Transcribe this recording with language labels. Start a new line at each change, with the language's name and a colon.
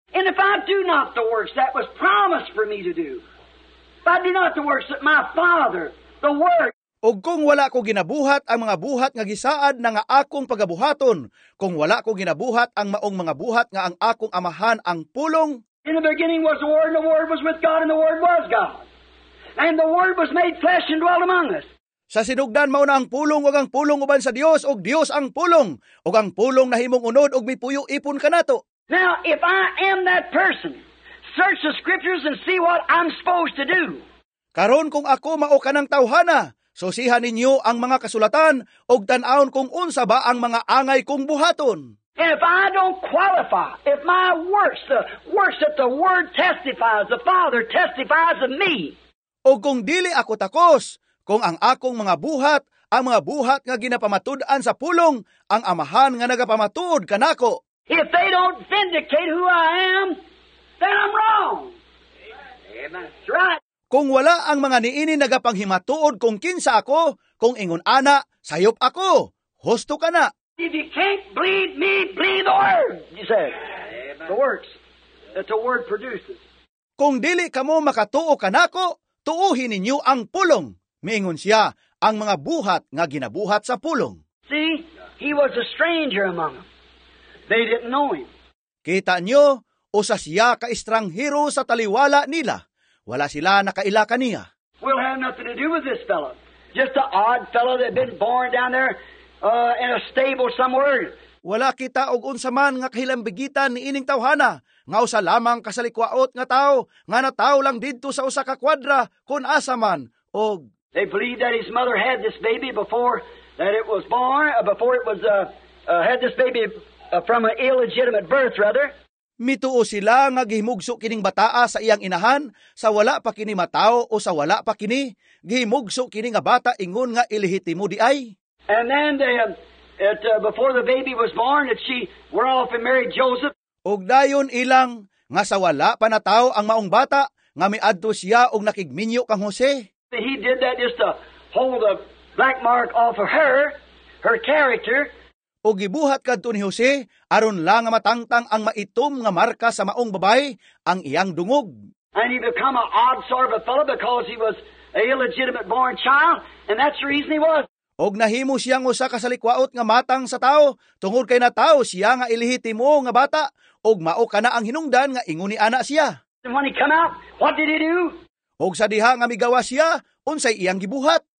English: And if I do not the works that was promised for me to do, if I do not the works that my Father, the Word,
Cebuano: ug kung wala ko ginabuhat ang mga buhat nga gisaad na nga akong pagabuhaton, kung wala ko ginabuhat ang maong mga buhat nga ang akong amahan ang pulong.
English: In the beginning was the Word, and the Word was with God, and the Word was God. And the Word was made flesh and dwelt among us.
Cebuano: Sa sinugdan mauna ang pulong, ug ang pulong uban sa Dios, ug Dios ang pulong, ug ang pulong nahimong unod, ug mipuyo ipon kanato.
English: Now, if I am that person, search the scriptures and see what I'm supposed to do.
Cebuano: Karon kung ako mao kanang tawhana, susihan ninyo ang mga kasulatan ug tan-aon kung unsa ba ang mga angay kong buhaton.
English: If I don't qualify, if my works, the works that the Word testifies, the Father testifies of me.
Cebuano: O kung dili ako takos, kung ang akong mga buhat, ang mga buhat nga ginapamatud-an sa pulong, ang amahan nga nagapamatud kanako.
English: If they don't vindicate who I am, then I'm wrong. Amen. That's right.
Cebuano: Kung wala ang mga niini nagapanghimatuod kung kinsa ako, kung ingon ana, sayop ako, husto ka na.
English: If you can't bleed me, bleed the Word, you said. Amen. The works that the Word produces.
Cebuano: Kung dili kamo makatuo kanako, tuuhin ninyo ang pulong. Miingon siya, ang mga buhat nga ginabuhat sa pulong.
English: See, he was a stranger among them. They didn't know him.
Cebuano: Kita nyo, usa siya ka estranghero sa taliwala nila. Wala sila nakaila kaniya.
English: We'll have nothing to do with this fellow. Just an odd fellow that had been born down there in a stable somewhere.
Cebuano: Wala kita og unsa man nga kahilambigitan ni ining tawhana. Ngao sa lamang kasalikwaot nga tao, nga natao lang dito sa usa ka kwadra, kun asa man, og...
English: They believe that his mother had this baby before that it was born, before it was, had this baby from an illegitimate birth, rather.
Cebuano: Mituo sila nga gihimugso kining bataa sa iyang inahan sa wala pa kini matao o sa wala pa kini gihimugso kini nga bata ingon nga ilehitimo di ay.
English: And then before the baby was born, that she were off and married Joseph.
Cebuano: Ug dayon ilang nga sa wala pa natao ang maong bata nga miadto siya og nakigminyo kang Jose.
English: He did that just to hold a black mark off of her character.
Cebuano: O gibuhat kadto ni Jose aron lang nga matangtang ang maitom nga marka sa maong babay ang iyang dungog.
English: And he became an odd sort of a fellow because he was a illegitimate born child, and that's the reason he was.
Cebuano: Og nahimo siyang usa ka salikwaot nga matang sa tawo tungod kay natawo siya nga ilehitimo nga bata og mao kana ang hinungdan nga ingon ni ana siya.
English: And when he came out, what did he do?
Cebuano: Og sa diha nga migawas siya unsay iyang gibuhat.